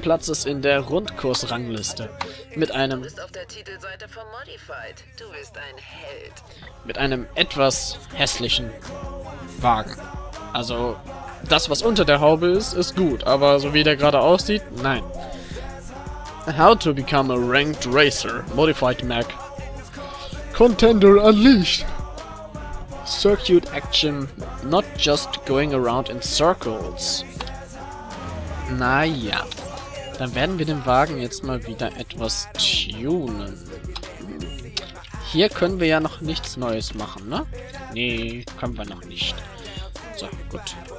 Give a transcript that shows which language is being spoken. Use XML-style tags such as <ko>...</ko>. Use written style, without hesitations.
<de>Platzes in der Rundkursrangliste. Mit einem... Du bist auf der Titelseite von Modified. Du bist ein Held. Mit einem etwas hässlichen Wagen. Also, das, was unter der Haube ist, ist gut, aber so wie der gerade aussieht, nein.</de> <en>How to become a ranked racer, Modified Mag. Contender unleashed! Circuit action, not just going around in circles.</en> <de>Naja, dann werden wir den Wagen jetzt mal wieder etwas tunen. Hier können wir ja noch nichts Neues machen, ne? Nee, können wir noch nicht. So, gut.</de>